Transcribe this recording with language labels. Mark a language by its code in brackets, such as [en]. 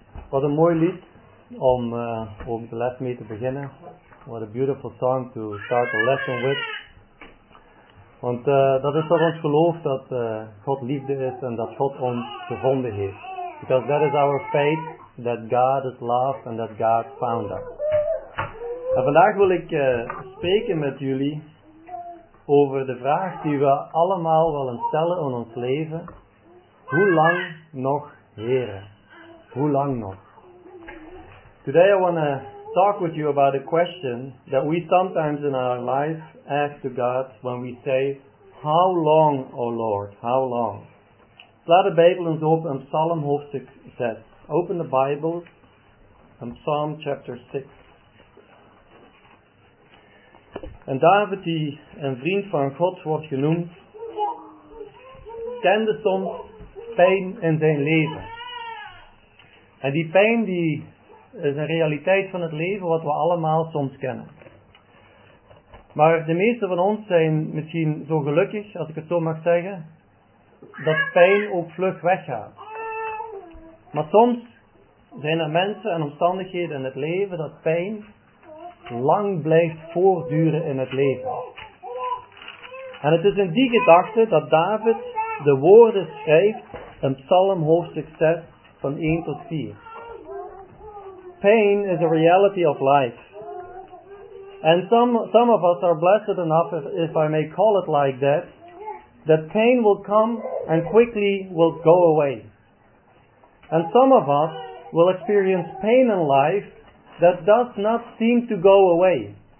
[nl] Wat een mooi lied om de les mee te beginnen. [en] What a beautiful song to start the lesson with. [nl] Want dat is toch ons geloof dat God liefde is en dat God ons gevonden heeft. [en] Because that is our faith, that God is love and that God found us. [nl] En vandaag wil ik spreken met jullie over de vraag die we allemaal willen stellen in ons leven. Hoe lang nog, Heere? Hoe lang nog? [en] Today I want to talk with you about a question that we sometimes in our life ask to God when we say, how long, O Lord, how long? [nl] Sla de Bijbel eens open in Psalm hoofdstuk 6. [en] Open the Bible in Psalm chapter 6. [nl] En David, die een vriend van God wordt genoemd, kende soms pijn in zijn leven. En die pijn, die is een realiteit van het leven wat we allemaal soms kennen. Maar de meeste van ons zijn misschien zo gelukkig, als ik het zo mag zeggen, dat pijn ook vlug weggaat. Maar soms zijn er mensen en omstandigheden in het leven dat pijn lang blijft voortduren in het leven. En het is in die gedachte dat David de woorden schrijft in Psalm hoofdstuk 6 van 1 tot 4. [en] Pain is a reality of life. And some of us are blessed enough, if I may call it like that, that pain will come and quickly will go away. And some of us will experience pain in life that does not seem to go away.